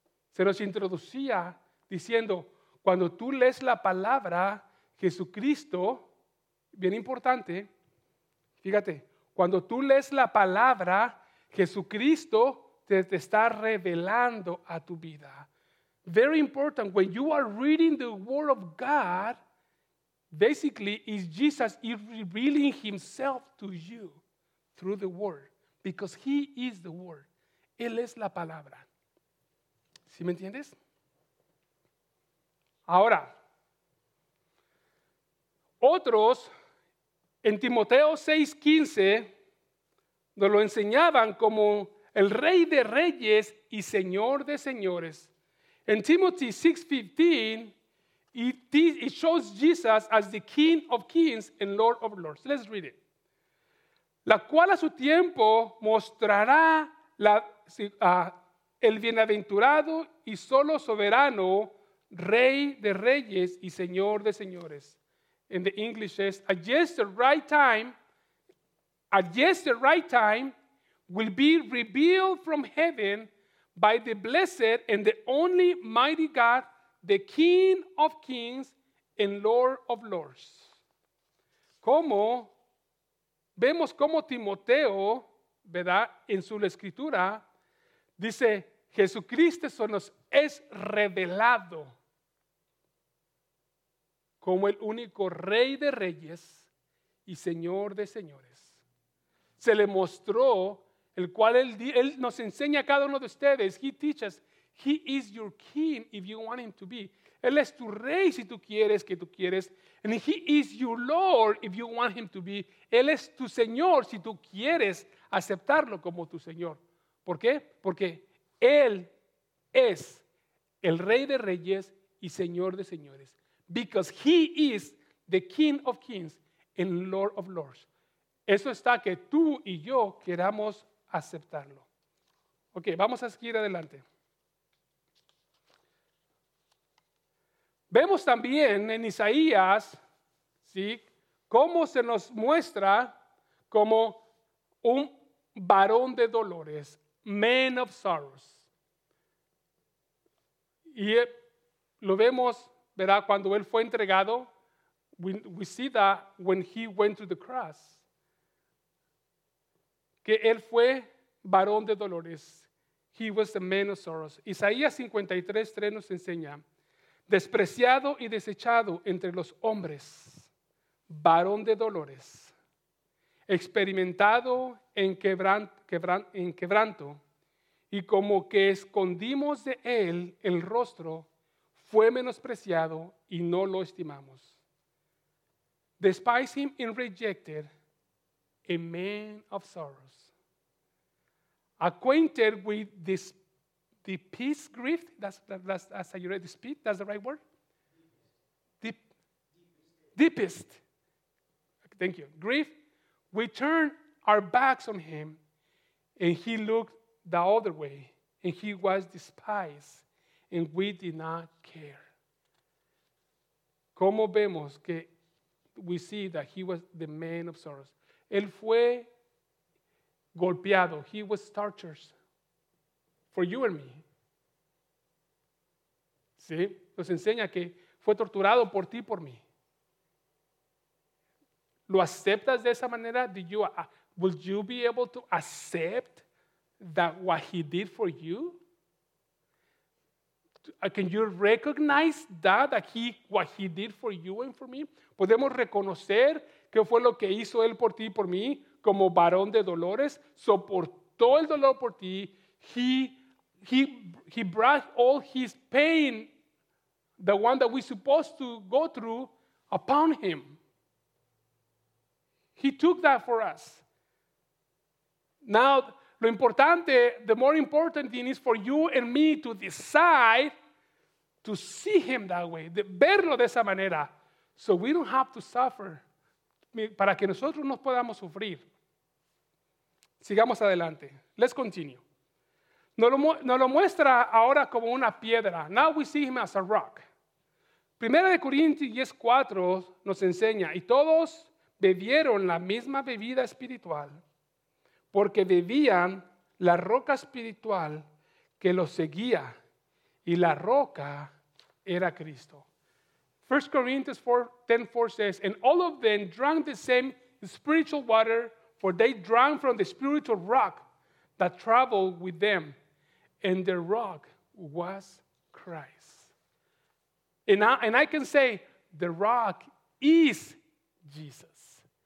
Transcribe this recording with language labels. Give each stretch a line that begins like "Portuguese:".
Spanish: Se nos introducía diciendo, cuando tú lees la palabra, Jesucristo, bien importante, fíjate, cuando tú lees la palabra, Jesucristo te está revelando a tu vida.
English: Very important, when you are reading the word of God, basically is Jesus is revealing himself to you through the word, because he is the word.
Spanish: Él es la palabra. ¿Sí me entiendes? Ahora, otros en Timoteo 6:15 nos lo enseñaban como el rey de reyes y señor de señores.
English: In Timothy 6:15, it shows Jesus as the King of Kings and Lord of Lords. Let's read it.
Spanish: La cual a su tiempo mostrará el bienaventurado y solo soberano Rey de Reyes y Señor de Señores.
English: In the English says, at just the right time will be revealed from heaven by the blessed and the only mighty God, the King of Kings and Lord of Lords.
Spanish: Como vemos como Timoteo, ¿verdad? En su escritura, dice, Jesucristo se nos es revelado como el único Rey de Reyes y Señor de Señores. Se le mostró, el cual él nos enseña a cada uno de ustedes.
English: He teaches He is your king if you want him to be.
Spanish: Él es tu rey si tú quieres que tú quieres.
English: And he is your Lord if you want him to be.
Spanish: Él es tu Señor si tú quieres aceptarlo como tu Señor. ¿Por qué? Porque Él es el Rey de Reyes y Señor de Señores.
English: Because he is the King of Kings and Lord of Lords.
Spanish: Eso está que tú y yo queramos aceptarlo. Ok, vamos a seguir adelante. Vemos también en Isaías, ¿sí?, cómo se nos muestra como un varón de dolores,
English: man of sorrows.
Spanish: Y lo vemos, ¿verdad?, cuando él fue entregado.
English: We see that when he went to the cross.
Spanish: Que él fue varón de dolores.
English: He was the man of sorrows.
Spanish: Isaías 53:3 nos enseña: despreciado y desechado entre los hombres, varón de dolores, experimentado en quebranto, y como que escondimos de él el rostro, fue menospreciado y no lo estimamos.
English: Despise him and rejected, a man of sorrows. Acquainted with this, the peace grief, that's how you read the speed, that's the right word? Deepest. Thank you. Grief. We turned our backs on him and he looked the other way and he was despised and we did not care.
Spanish: ¿Cómo vemos que
English: we see that he was the man of sorrows?
Spanish: Él fue golpeado.
English: He was tortured for you and me.
Spanish: ¿Sí? Nos enseña que fue torturado por ti y por mí. ¿Lo aceptas de esa manera?
English: Will you be able to accept that what he did for you? Can you recognize what he did for you and for me?
Spanish: ¿Podemos reconocer qué fue lo que hizo él por ti y por mí como varón de dolores? Soportó el dolor por ti.
English: He brought all his pain, the one that we're supposed to go through, upon him. He took that for us. Now,
Spanish: lo importante,
English: the more important thing is for you and me to decide to see him that way,
Spanish: de verlo de esa manera,
English: so we don't have to suffer,
Spanish: para que nosotros no podamos sufrir. Sigamos adelante.
English: Let's continue.
Spanish: Nos lo muestra ahora como una piedra.
English: Now we see him as a rock.
Spanish: Primera de Corintios 10:4 nos enseña, y todos bebieron la misma bebida espiritual, porque bebían la roca espiritual que los seguía, y la roca era Cristo.
English: 1 Corinthians 10:4 says, and all of them drank the same spiritual water, for they drank from the spiritual rock that traveled with them, and the rock was Christ. And I can say, the rock is Jesus.